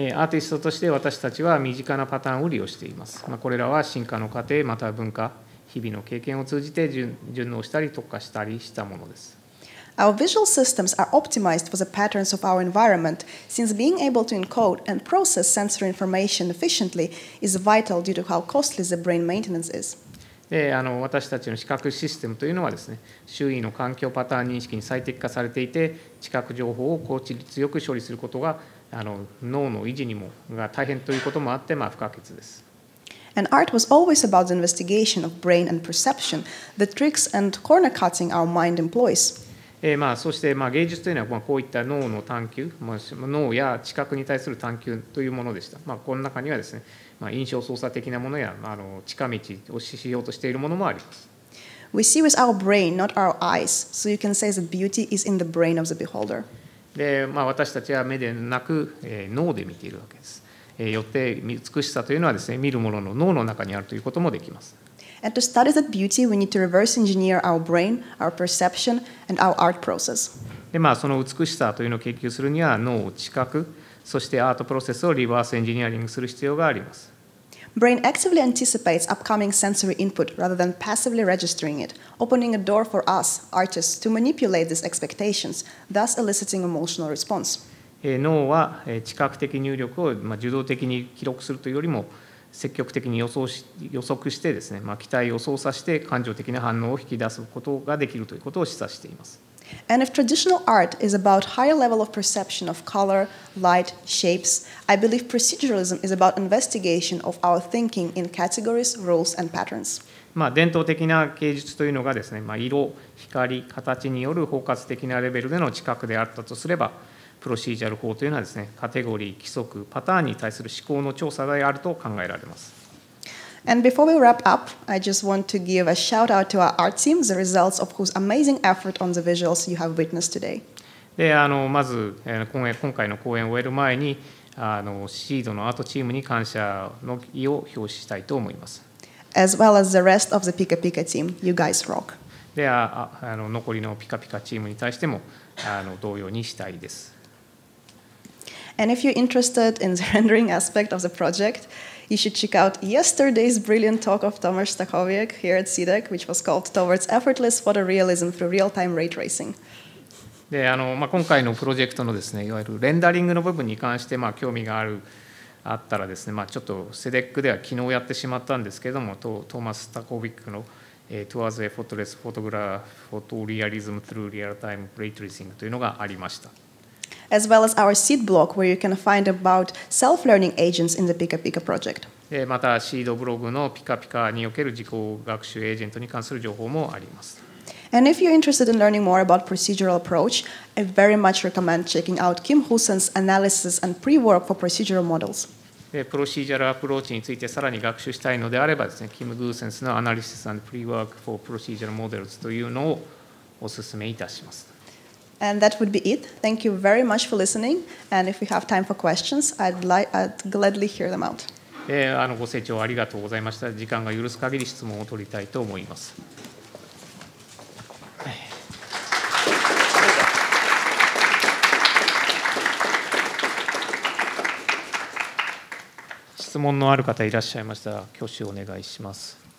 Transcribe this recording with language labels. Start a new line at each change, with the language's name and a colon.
Japanese: アーティストとして私たちは身近なパターンを利用しています。まあ、これらは進化の過程、または文化、日々の経験を通じて順応したり特化したりしたものです。
English: Our visual systems are optimized for the patterns of our environment, since being able to encode and process sensory information efficiently is vital due to how costly the brain maintenance is.
Japanese: 私たちの視覚システムというのはですね、周囲の環境パターン認識に最適化されていて、視覚情報を効率よく処理することが脳の維持にもが大変ということもあって、まあ、不可欠です。
English: And art was always about the investigation of brain and perception, the tricks and corner cutting our mind employs.
Japanese: まあ、そして、まあ、芸術というのは、まあ、こういった脳の探求、まあ、脳や知覚に対する探求というものでした。まあ、この中にはですね、まあ、印象操作的なものや、まあ、近道をしようとしているものもあります。
English: We see with our brain, not our eyes, so you can say the beauty is in the brain of the beholder.
Japanese: で、まあ、私たちは目でなく、脳で見ているわけです。よって美しさというのはですね、見るものの脳の中にあるということもできます。
English: And to study that beauty, we need to reverse engineer our brain, our perception, and our art process.
Japanese: で、まあ、その美しさというのを研究するには、脳を知覚、そしてアートプロセスをリバースエンジニアリングする必要があります。
English: Brain actively anticipates upcoming sensory input rather than passively registering it, opening a door for us, artists, to manipulate these expectations, thus eliciting emotional response.
Japanese: 脳は知覚的入力を受動的に記録するというよりも積極的に予測してですね、まあ、期待を操作して感情的な反応を引き出すことができるということを示唆しています。
English: And if traditional art is about higher level of perception of color, light, shapes, I believe proceduralism is about investigation of our thinking in categories, rules, and patterns.
Japanese: まあ伝統的な芸術というのがですね、まあ、色、光、形による包括的なレベルでの知覚であったとすれば、プロシージャル法というのはですね、カテゴリー、規則、パターンに対する思考の調査であると考えられます。
English: And before we wrap up, I just want to give a shout out to our art team, the results of whose amazing effort on the visuals you have witnessed today.
Japanese: で、まず、今回の講演を終える前に、SEED のアートチームに感謝の意を表したいと思います。
English: As well as the rest of the Pika Pika team, you guys rock.
Japanese: で、残りのピカピカチームに対しても、同様にしたいです。
English: And if you're interested in the rendering aspect of the project, you should check out yesterday's brilliant talk of Tomasz Stachowiek here at CEDEC, which was called Towards Effortless Photorealism Through Real-Time Ray Tracing.
Japanese: で、まあ、今回のプロジェクトのですね、いわゆるレンダリングの部分に関して、まあ、興味があるあったらですね、まあ、ちょっと CEDEC では昨日やってしまったんですけども、トーマス・スタコビックの、Towards Effortless Photorealism Through Real-Time Ray Tracing というのがありました。
English: As well as our seed block, where you can find about self-learning agents in the Pika Pika project.
Japanese: またシードブログのピカピカにおける自己学習エージェントに関する情報もあります。
English: And if you're interested in learning more about procedural approach, I very much recommend checking out Kim Husen's analysis and pre-work for procedural models.
Japanese: プロシージャルアプローチについてさらに学習したいのであればですね、Kim Husen's の analysis and pre-work for procedural models というのをお勧めいたします。
English: And that would be it. Thank you very much for listening. And if we have time for questions, I'd gladly hear them out.
Japanese: ご清聴ありがとうございました。時間が許す限り質問を取りたいと思います。質問のある方いらっしゃいましたら挙手お願いします。